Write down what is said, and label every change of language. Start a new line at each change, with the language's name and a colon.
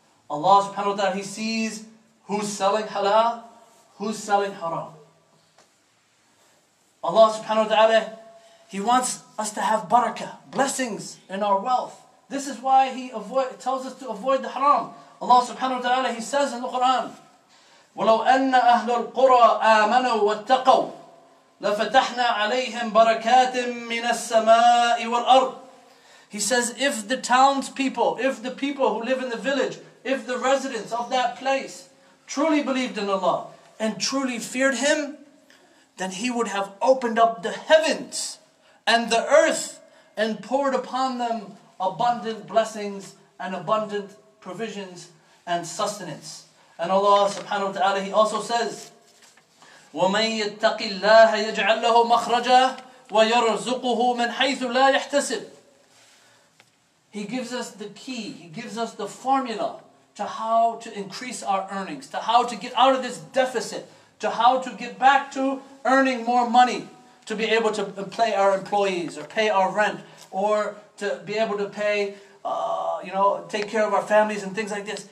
English: Allah subhanahu wa ta'ala, He sees who's selling halal, who's selling haram. Allah subhanahu wa ta'ala, He wants us to have barakah, blessings in our wealth. This is why He tells us to avoid the haram. Allah subhanahu wa ta'ala, He says in the Quran,
Arabic: وَلَوْ أَنَّ أَهْلُ الْقُرَىٰ آمَنُوا وَاتَّقَوْا لَفَتَحْنَا عَلَيْهِمْ بَرَكَاتٍ مِّنَ السَّمَاءِ وَالْأَرْضِ.
English: He says, if the townspeople, if the people who live in the village, if the residents of that place truly believed in Allah and truly feared Him, then He would have opened up the heavens and the earth and poured upon them abundant blessings and abundant provisions and sustenance. And Allah subhanahu wa ta'ala, He also says,
Arabic: وَمَنْ يَتَّقِ اللَّهَ يَجْعَلْ لَهُ مَخْرَجًا وَيَرْزُقُهُ مِنْ حَيْثُ لَا يَحْتَسِبُ.
English: He gives us the key, He gives us the formula to how to increase our earnings, to how to get out of this deficit, to how to get back to earning more money, to be able to pay our employees, or pay our rent, or to be able to pay, take care of our families and things like this.